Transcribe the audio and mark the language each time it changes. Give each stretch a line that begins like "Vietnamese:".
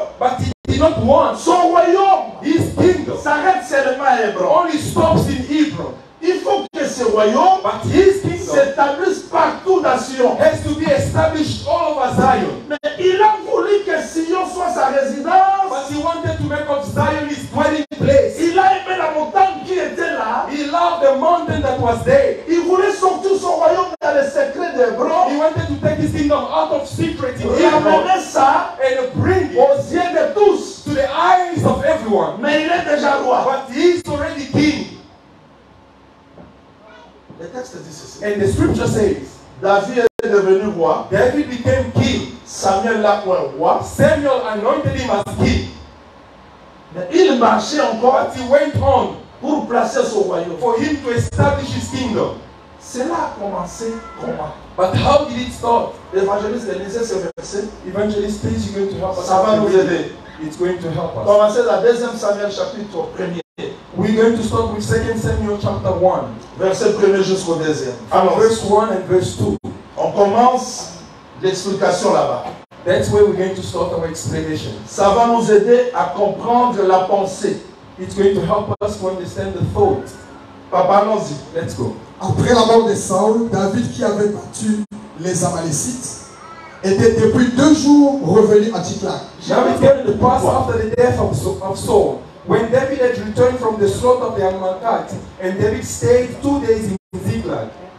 English: but he did not want,
French: son royaume,
English: his kingdom,
French: s'arrête seulement à Hébron,
English: only stops in Hebron.
French: Il faut que ce royaume,
English: but his kingdom,
French: s'établisse partout dans Sion,
English: has to be established all over Zion.
French: Mais il a voulu que Sion soit sa résidence,
English: but he wanted to make of Zion his dwelling place.
French: Il a aimé la montagne qui est
English: was there.
French: Il voulait sortir son royaume dans les secrets des bras.
English: He wanted to take his kingdom out of secret.
French: Ramener ça
English: and bring it
French: aux yeux de tous,
English: to the eyes of everyone.
French: Mais il est déjà roi.
English: But he is already king.
French: Le texte dit ceci.
English: And the scripture says,
French: David est devenu roi.
English: David became king.
French: Samuel l'a pour roi.
English: Samuel anointed him as king.
French: Mais il marchait encore.
English: But he went on
French: pour placer son royaume.
English: For him to establish his kingdom.
French: Cela a commencé comment?
English: But how did it start?
French: Evangelist, lisez ce verset.
English: Evangelist, please, you're going to help us.
French: Ça va nous aider.
English: It's going to help us.
French: Commencez la deuxième Samuel chapitre premier.
English: We're going to start with 2 Samuel chapter 1.
French: Verset 1 jusqu'au 2e.
English: Alors, verse 1 and verse 2.
French: On commence l'explication là-bas.
English: That's where we're going to start our explanation.
French: Ça va nous aider à comprendre la pensée.
English: It's going to help us to understand the thought.
French: Papa, allons-y.
English: Let's go.
French: Après la mort de Saul, David, qui avait battu les Amalécites, était depuis deux jours revenu à Tiklag.
English: David came to pass after the death of Saul. When David had returned from the slaughter of the Amalekites, and David stayed 2 days in Ziklag.